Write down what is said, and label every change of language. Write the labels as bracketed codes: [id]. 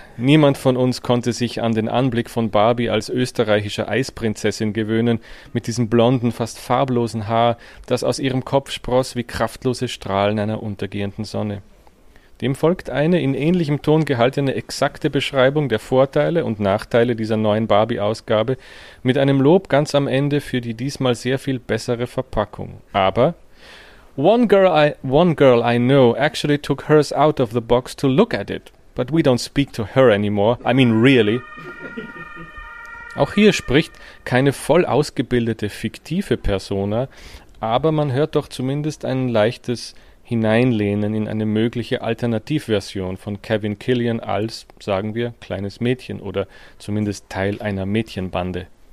[de] Niemand von uns konnte sich an den Anblick von Barbie als österreichischer Eisprinzessin gewöhnen, mit diesem blonden, fast farblosen Haar, das aus ihrem Kopf spross wie kraftlose Strahlen einer untergehenden Sonne. Dem folgt eine in ähnlichem Ton gehaltene exakte Beschreibung der Vorteile und Nachteile dieser neuen Barbie-Ausgabe, mit einem Lob ganz am Ende für die diesmal sehr viel bessere Verpackung. [en] Aber One girl I know actually took hers out of the box to look at it, but we don't speak to her anymore. I mean, really. [de] Auch hier spricht keine voll ausgebildete fiktive Persona, aber man hört doch zumindest ein leichtes Hineinlehnen in eine mögliche Alternativversion von Kevin Killian als, sagen wir, kleines Mädchen oder zumindest Teil einer Mädchenbande.